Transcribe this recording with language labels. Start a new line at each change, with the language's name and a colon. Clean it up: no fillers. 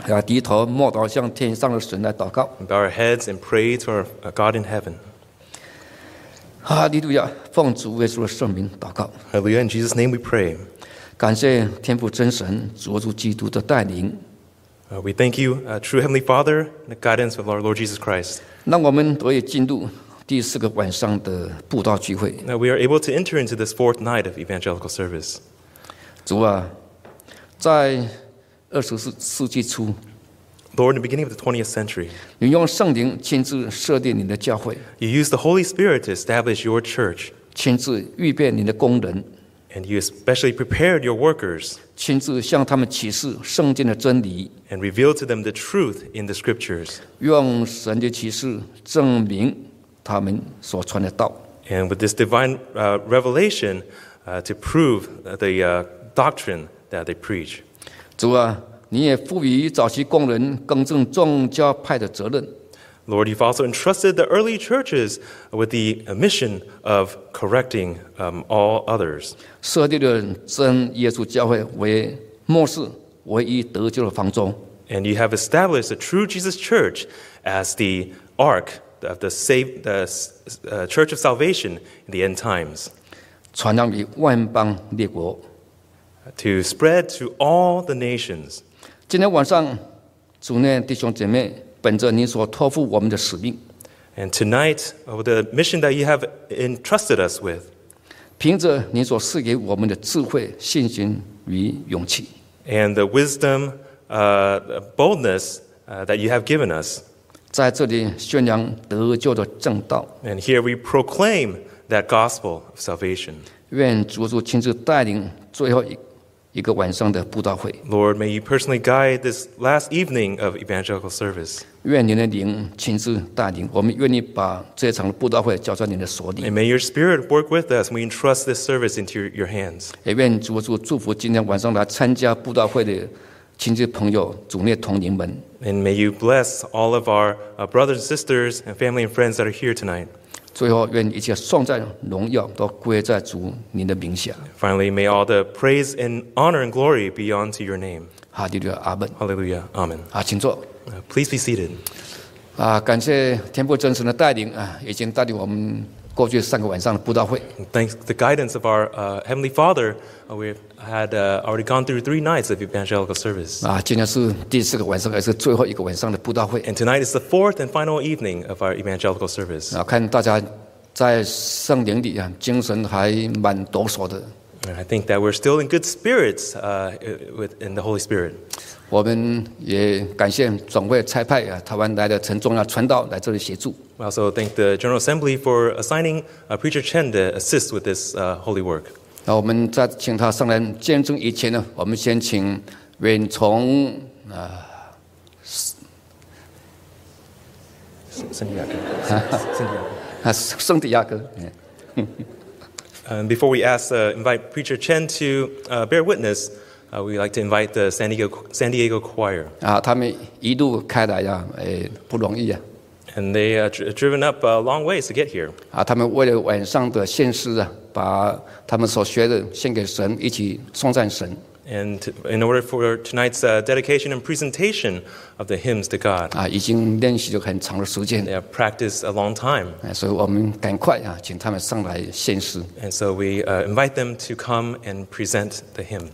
Chinese: 要低头默祷向天上的神来祷告。
English: Bow our heads and pray to our God in heaven.
Chinese: 哈利路亚，奉主耶稣的圣名祷告。
English: Hallelujah, in Jesus' name we pray.
Chinese: 感谢天父真神，主耶稣基督的带领。
English: We thank you, true Heavenly Father, the guidance of our Lord Jesus Christ.
Chinese: 让我们得以进入第四个晚上的布道聚会。
English: Now we are able to enter into this fourth night of evangelical service.
Chinese: 主啊，在二十世纪初
English: ，Lord, in the beginning of the 20th century,
Chinese: 你用圣灵亲自设定你的教会
English: ，You used the Holy Spirit to establish your church,
Chinese: 亲自预备你的工人
English: ，And you especially prepared your workers,
Chinese: 亲自向他们启示圣经的真理
English: ，And revealed to them the truth in the scriptures,
Chinese: 用神的启示证明他们所传的道
English: ，And with this divine revelation, to prove the doctrine that they preach.
Chinese: 主啊，你也赋予早期工人更正宗教派的责任。
English: Lord, you've also entrusted the early churches with the mission of correcting all others.
Chinese: 设立了真耶稣教会为末世唯一得救的方舟。
English: And you have established the true Jesus Church as the ark of the save the church of salvation in the end times.
Chinese: 传扬于万邦列国。
English: To spread to all the nations.
Chinese: 今天晚上，主内弟兄姐妹，本着您所托付我们的使命
English: ，And tonight, of the mission that you have entrusted us with.
Chinese: 凭着您所赐给我们的智慧、信心与勇气
English: ，And the wisdom, boldness, that you have given us.
Chinese: 在这里宣扬得救的正道
English: ，And here we proclaim that gospel of salvation.
Chinese: 愿主主亲自带领最后一个晚上的布道会
English: ，Lord, may you personally guide this last evening of evangelical service.
Chinese: 愿您的灵亲自带领我们，愿意把这场布道会交在您的手里。
English: And may your Spirit work with us. We entrust this service into your hands.
Chinese: 也愿主主祝福今天晚上来参加布道会的亲戚朋友、主内同龄们。
English: And may you bless all of our brothers and sisters and family and friends that are here tonight.
Chinese: 最后，愿一切颂赞、荣耀都归在主您的名下。
English: Finally, may all the praise and honor and glory be unto your name.
Chinese: 哈利路亚，阿门。
English: Hallelujah, Amen.
Chinese: 啊，请坐。
English: Please be seated.
Chinese: 啊，感谢天父真神的带领啊，已经带领我们过去三个晚上的布道会。
English: Thanks the guidance of our Heavenly Father, we had already gone through three nights of evangelical service.
Chinese: 啊，今天是第四个晚上，也是最后一个晚上的布道会。
English: And tonight is the fourth and final evening of our evangelical service.
Chinese: 啊，看大家在圣灵里啊，精神还蛮抖擞的。
English: And I think that we're still in good spirits in the Holy Spirit.
Chinese: 我们也感谢总会差派啊，台湾来的陈忠耀传道来这里协助。
English: We also thank the General Assembly for assigning Preacher Chen to assist with this holy work.
Chinese: 那我们在请他上来见证以前呢，我们先请远从啊，圣地亚哥，圣地亚哥，圣地亚哥。
English: And before we ask, invite Preacher Chen to bear witness, we'd like to invite the San Diego Choir.
Chinese: 啊，他们一路开来呀，哎，不容易呀。
English: And they driven up a long ways to get here.
Chinese: 啊，他们为了晚上的献诗啊，把他们所学的献给神，一起颂赞神。
English: And in order for tonight's dedication and presentation of the hymns to God,
Chinese: 啊，已经练习了很长的时间。
English: They have practiced a long time.
Chinese: 所以我们赶快啊，请他们上来献诗。
English: And so we invite them to come and present the hymn.